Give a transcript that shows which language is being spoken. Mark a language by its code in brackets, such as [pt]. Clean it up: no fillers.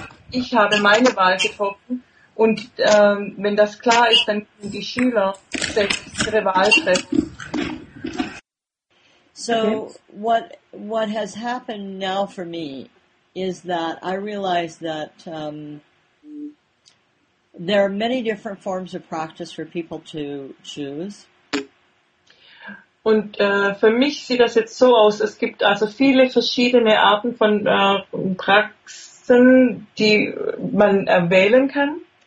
[de] Ich habe meine Wahl getroffen und wenn das klar ist, dann können die Schüler selbst ihre Wahl treffen. [en] So, what has happened now for me is that I realize that there are many different forms of practice for people to choose. [de] Und für mich sieht das jetzt so aus, es gibt also viele verschiedene Arten von Praxen, die man wählen kann.